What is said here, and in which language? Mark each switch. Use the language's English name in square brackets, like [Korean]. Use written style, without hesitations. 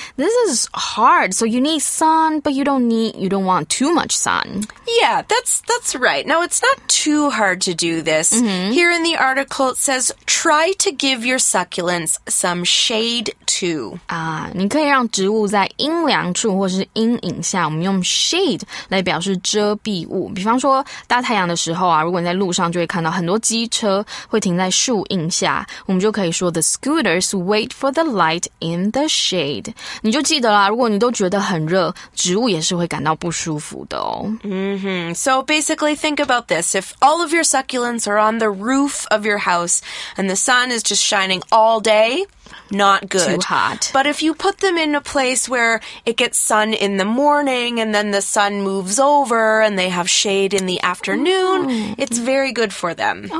[English] This is hard, so you need sun, but you don't want too much sun. Yeah, that's right. Now it's not too hard to do this.、 Mm-hmm. Here in the article it says try to give your succulents some shade too. [Chinese] 你可以让植物在阴凉处或是阴影下，我们用 shade 来表示遮蔽物。比方说大太阳的时候啊，如果你在路上就会看到很多机车会停在树荫下，我们就可以说 [English] the scooters wait for the light in the shade。 [Chinese] 你就记得啦，如果你都觉得很热，植物也是会感到不舒服的哦。 Mm-hmm. [English] So basically think about this, if all of your succulents are on the roof of your house and the sun is just shining all dayNot good. Too hot. But if you put them in a place where it gets sun in the morning and then the sun moves over and they have shade in the afternoon, it's very good for them.